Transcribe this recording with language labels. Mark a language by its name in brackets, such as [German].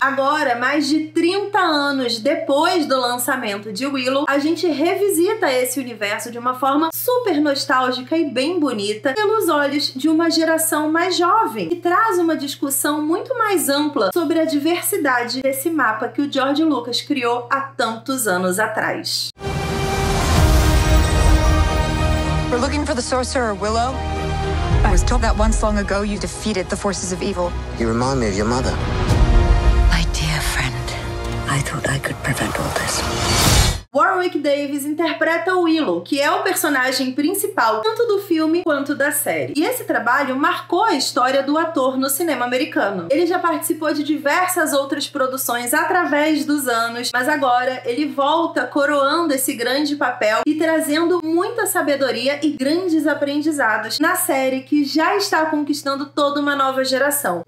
[Portuguese] Agora, mais de 30 anos depois do lançamento de Willow, a gente revisita esse universo de uma forma super nostálgica e bem bonita pelos olhos de uma geração mais jovem, e traz uma discussão muito mais ampla sobre a diversidade desse mapa que o George Lucas criou há tantos anos atrás. [English] We're looking for the sorcerer Willow. I was told that once long ago you defeated the forces of evil. You remind me of your mother. My dear friend, I thought I could prevent all this. [Portuguese] Warwick Davis interpreta o Willow, que é o personagem principal tanto do filme quanto da série. E esse trabalho marcou a história do ator no cinema americano. Ele já participou de diversas outras produções através dos anos, mas agora ele volta coroando esse grande papel e trazendo muita sabedoria e grandes aprendizados na série que já está conquistando toda uma nova geração.